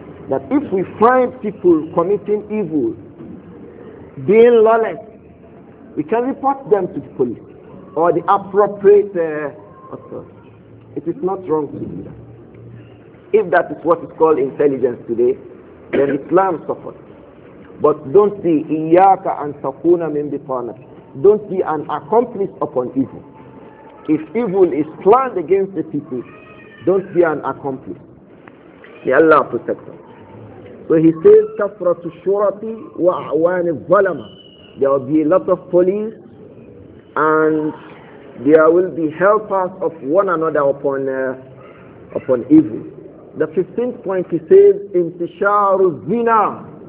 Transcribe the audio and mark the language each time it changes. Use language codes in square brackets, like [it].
[en] That if we find people committing evil, being lawless, we can report them to the police or the appropriate authority. It is not wrong to do that. If that is what is called intelligence today, then Islam suffers. But don't be [ar] إِيَّاكَ أَن تَكُونَ مِنْ بِطَانَةٍ. [en] Don't be an accomplice upon evil. If evil is planned against the people, don't be an accomplice. May Allah protect us. So he says, [ar] كَفْرَةُ الشُّرَطِ وَأَعْوَانِ الظَّلَمَةِ. [en] There will be a lot of police, and there will be helpers of one another upon evil. The 15th point he says, intisharu zina.